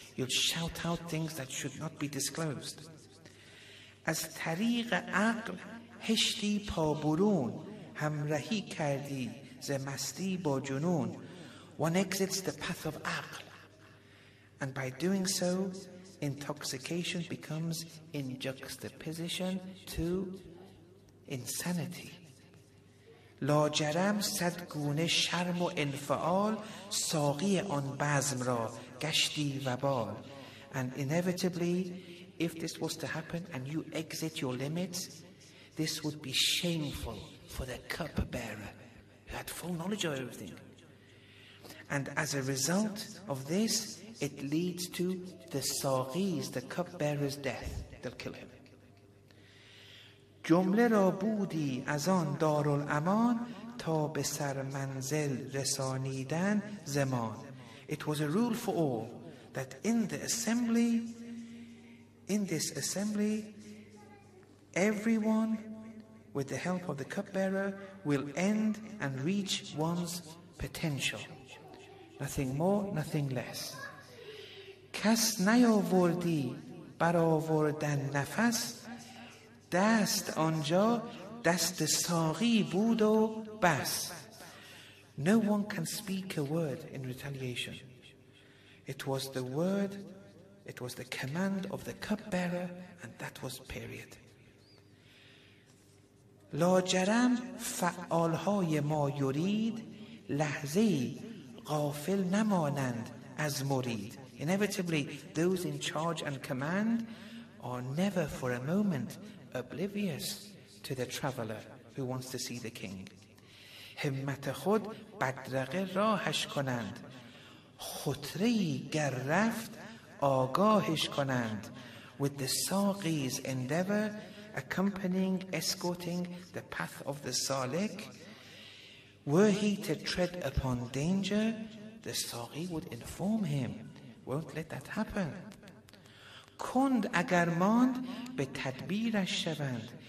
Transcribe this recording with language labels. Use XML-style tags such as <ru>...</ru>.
<en>You'd shout out things that should not be disclosed.</en> <fa>از طریق عقل هشتی پابرون, همراهی کردی ز مستی با جنون.</fa> <en>One exits the path of عقل, and by doing so, intoxication becomes in juxtaposition to insanity.</en> <fa>لاجرم صد گونه شرم و انفعال, ساقی آن بزم را گشتی وبال.</fa> <en>And inevitably, if this was to happen and you exit your limits, this would be shameful for the cup bearer who had full knowledge of everything. And as a result of this, it leads to the ساقی's, the cupbearer's death. They'll kill him.</en> <fa>جمله را بودی از آن دارالامان, تا به سر منزل رسانیدن زمان.</fa> <en>It was a rule for all that in this assembly, everyone, with the help of the cupbearer, will end and reach one's potential. Nothing more, nothing less.</en> <fa>کس نیاوردی برآوردن نفس, دست آنجا دست ساقی بود و بس.</fa> <en>No one can speak a word in retaliation. It was the command of the cupbearer, and that was period.</en> <fa>لاجرم فعالهای ما یرید, لحظه غافل نمانند از مرید.</fa> <en>Inevitably, those in charge and command are never for a moment oblivious to the traveler who wants to see the king.</en> <fa>همت خود بدرقه راهش کنند, خطری گر رفت آگاهش کنند.</fa> <en>with the Saqi's endeavor, accompanying, escorting the path of the Salik. Were he to tread upon danger, the Saqi would inform him, won't let that happen.</en> <fa>Kund agar mand be tadbirash shavand.</fa>